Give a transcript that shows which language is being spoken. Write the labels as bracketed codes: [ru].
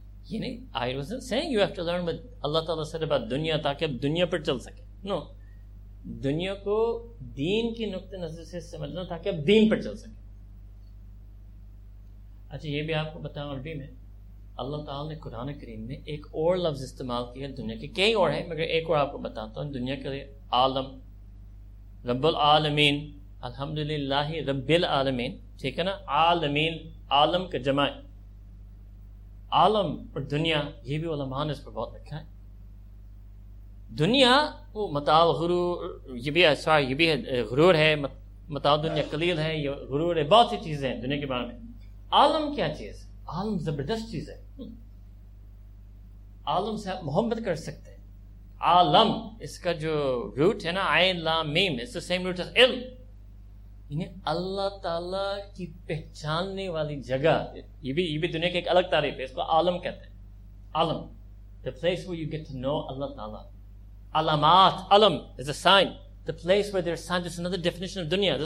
[en] You know, I wasn't saying you have to learn what Allah Ta'ala said about dunya [ur] تاکہ دنیا پر چل سکے. No, دنیا کو دین کی نقطہ نظر سے سمجھنا تاکہ آپ دین پر چل سکے. اچھا یہ بھی آپ کو بتاؤں عربی میں, اللہ تعالیٰ نے قرآن کریم میں ایک اور لفظ استعمال کیا ہے دنیا کے, کئی اور ہیں مگر ایک اور آپ کو بتاتا ہوں دنیا کے لیے. عالم, رب العالمین, الحمدللہ رب العالمین, ٹھیک ہے نا. عالمین, عالم کا جمع ہے. عالم اور دنیا, یہ بھی علماء نے اس پر بہت لکھا ہے. دنیا وہ متاع غرور, یہ بھی سوری یہ بھی ہے غرور ہے, متاع دنیا قلیل ہے, یہ غرور ہے, بہت سی چیزیں ہیں دنیا کے بارے میں. عالم کیا چیز ہے؟ عالم زبردست چیز ہے, عالم سے آپ محبت کر سکتے ہیں. عالم اس کا جو روٹ ہے نا, عین لام میم, [en] it's the same root as علم, [ur] یعنی اللہ تعالیٰ کی پہچاننے والی جگہ. یہ بھی دنیا کی ایک الگ تعریف ہے, اس کو عالم کہتے ہیں. [en] عالم, the place where you get to know اللہ تعالیٰ. علامات, علم is a sign, the place where there sign, this another definition of دنیا.